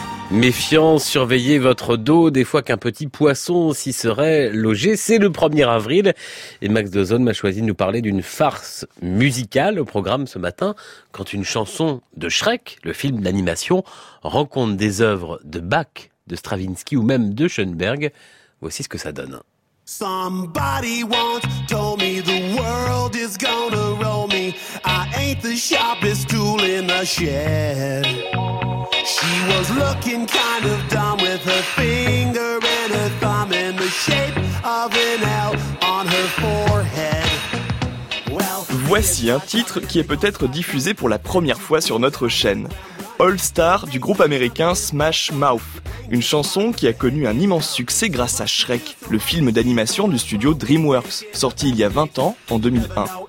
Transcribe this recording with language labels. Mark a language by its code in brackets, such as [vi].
[fr] Méfiance, surveillez votre dos, des fois qu'un petit poisson s'y serait logé. C'est le 1er avril et Max Dozon m'a choisi de nous parler d'une farce musicale au programme ce matin quand une chanson de Shrek, le film d'animation, rencontre des œuvres de Bach, de Stravinsky ou même de Schoenberg. Voici ce que ça donne. [en] Somebody once told me the world is gonna roll me. I ain't the sharpest tool in the shed. She was looking kind of dumb with her finger and her thumb in the shape of an L on her forehead. [fr] Well, voici un titre qui est peut-être diffusé pour la première fois sur notre chaîne. All Star du groupe américain Smash Mouth, une chanson qui a connu un immense succès grâce à Shrek, le film d'animation du studio DreamWorks, sorti il y a 20 ans, en 2001.